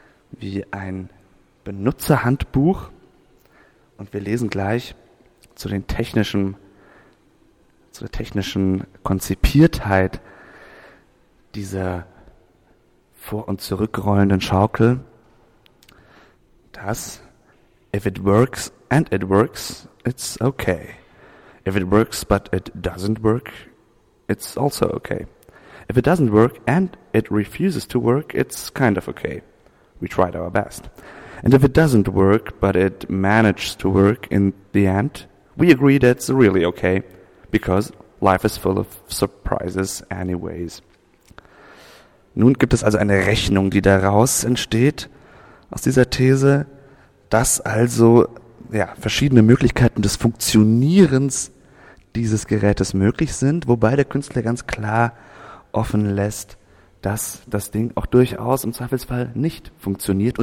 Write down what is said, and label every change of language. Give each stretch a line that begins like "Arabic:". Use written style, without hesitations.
German: wie ein Benutzerhandbuch. Und wir lesen gleich zu der technischen Konzipiertheit dieser vor- und zurückrollenden Schaukel, dass
English: if it works and it works, it's okay. If it works but it doesn't work, it's also okay. If it doesn't work and it refuses to work, it's kind of okay. We tried our best. And if it doesn't work but it manages to work in the end, we agree that's really okay, because life is full of surprises anyways.
German: Nun gibt es also eine Rechnung, die daraus entsteht, aus dieser These, dass also ja, verschiedene Möglichkeiten des Funktionierens dieses Gerätes möglich sind, wobei der Künstler ganz klar offen lässt, dass das Ding auch durchaus im Zweifelsfall nicht funktioniert.